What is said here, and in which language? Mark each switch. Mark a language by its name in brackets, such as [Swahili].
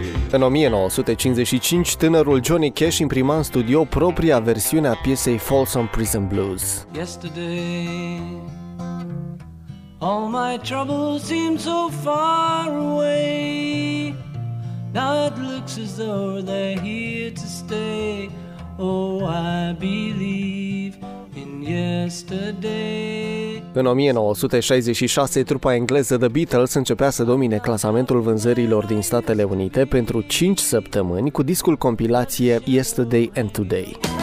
[Romanian] În 1955, tânărul Johnny Cash imprima în studio propria versiune a piesei Folsom Prison Blues. [English] Yesterday, all my troubles seem so far away. Now it looks as though they're here to stay. Oh, I believe in yesterday. [Romanian] În 1966, trupa engleză The Beatles începea să domine clasamentul vânzărilor din Statele Unite pentru 5 săptămâni cu discul compilație Yesterday and Today.